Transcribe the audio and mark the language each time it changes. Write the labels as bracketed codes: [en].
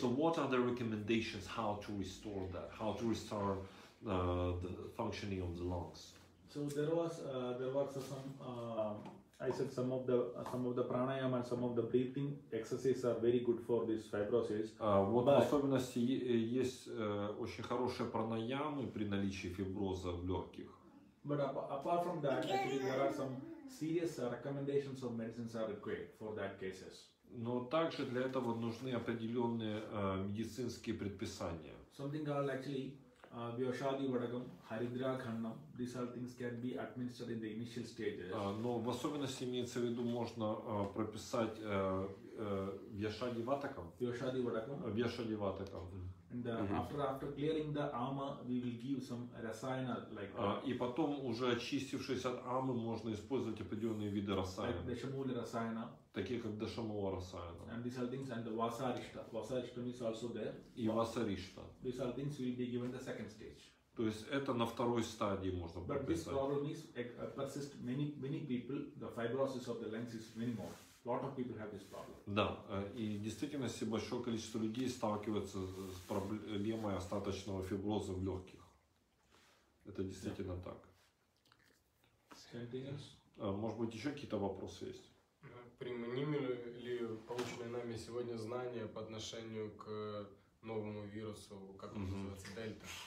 [en] So what are the recommendations how to restore that? How to restore the functioning of the lungs? So there was some I said some of the pranayama and some of the breathing exercises are very good for this fibrosis. [ru] Вот особенности есть очень хорошие пранаямы при наличии фиброза в легких. [en] But apart from that, actually there are some serious recommendations of medicines are required for that cases. [ru] Но также для этого нужны определенные медицинские предписания. [en] Something called actually Vyashadi Vadagam, Haridra Khandam, these all things can be administered in the initial stages. [ru] Но в особенности имеется в виду, можно прописать Vyashadi Vatakam. [en] Vyashadi Vadagam. Vyashadi Vatakam. And after clearing the ama, we will give some rasayana like. [ru] И потом уже очистившись от амы, можно использовать определенные виды расаяна. [en] Like Dashamuli Rasayana. [ru] Такие как Дашамула Расаяна. [en] And these all things and the Vasarishta. Vasarishta is also there. [ru] И Vasarishta. [en] These all things will be given the second stage. [ru] То есть это на второй стадии можно прописать. [en] But this problem is persist many people. The fibrosis of the lungs is many more. Lot of people have this problem. [ru] Да, и в действительности большое количество людей сталкивается с проблемой остаточного фиброза в легких. Это действительно yeah. так. Может быть, еще какие-то вопросы есть? Применимы ли полученные нами сегодня знания по отношению к новому вирусу, как он называется, Дельта?